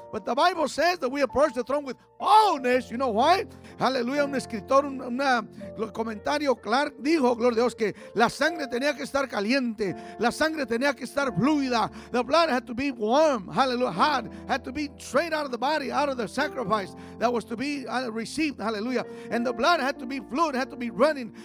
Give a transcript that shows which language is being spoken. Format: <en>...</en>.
<en>But the Bible says that we approach the throne with boldness. You know why?</en> <es>Aleluya, un escritor, un comentario, Clark, dijo, gloria a Dios, que la sangre tenía que estar caliente, la sangre tenía que estar fluida.</es> <en>The blood had to be warm, hallelujah, hot, had to be straight out of the body, out of the sacrifice that was to be received, hallelujah. And the blood had to be fluid, had to be running.</en>